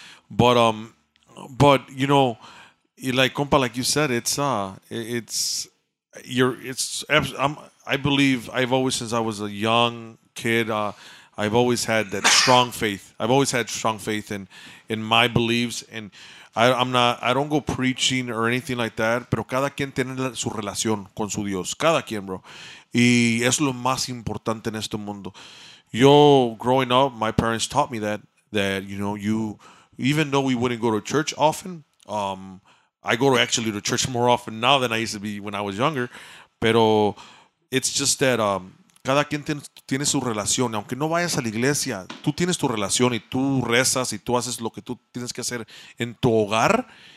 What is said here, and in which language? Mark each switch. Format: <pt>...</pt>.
<en>But you know, like compa, like you said, I've always, since I was a young kid, I've always had that strong faith. I've always had strong faith in my beliefs, and I don't go preaching or anything like that.</en> <es>Pero cada quien tiene su relación con su Dios. Cada quien, bro. Y es lo más importante en este mundo.</es> <en>Yo, growing up, my parents taught me that you know, you, even though we wouldn't go to church often, I go to church more often now than I used to be when I was younger.</en> <es>Pero</es> <en>it's just that</en> <es>cada quien tiene su relación. Aunque no vayas a la iglesia, tú tienes tu relación y tú rezas y tú haces lo que tú tienes que hacer en tu hogar.</es>